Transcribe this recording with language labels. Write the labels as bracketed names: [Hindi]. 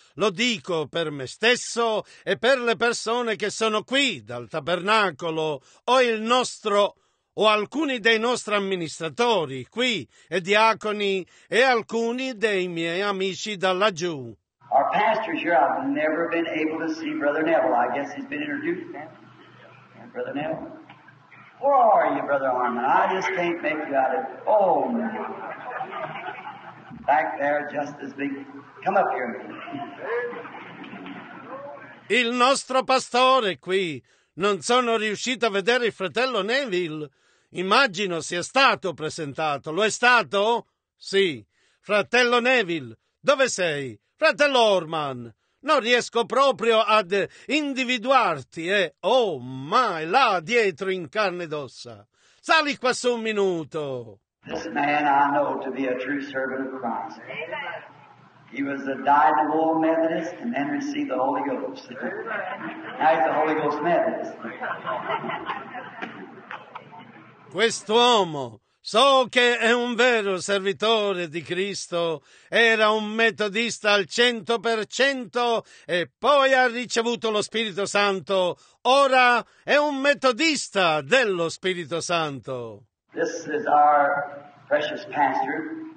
[Italian] Lo dico per me stesso e per le persone che sono qui dal tabernacolo, o il nostro, o alcuni dei nostri amministratori qui, e diaconi, e alcuni dei miei amici da laggiù. [English] Our pastor's here. I've never been able to see Brother Neville. I guess he's been introduced now. Yeah, Brother Neville. Where are you, Brother Harmon? I just can't make you out of... Oh, man. Back there, just as big. Come up here. [Italian] Il nostro pastore qui. Non sono riuscito a vedere il fratello Neville. Immagino sia stato presentato. Lo è stato? Sì. Fratello Neville, dove sei? Fratello Orman, non riesco proprio ad individuarti, Oh, ma è là dietro in carne ed ossa. Sali qua su un minuto. [English] This man I know to be a true servant of Christ. He was a dynamo Methodist and then received the Holy Ghost. Now he's a Holy Ghost Methodist. [Italian] Quest'uomo, so che è un vero servitore di Cristo, era un metodista al 100% e poi ha ricevuto lo Spirito Santo. Ora è un metodista dello Spirito Santo. [English] This is our precious pastor.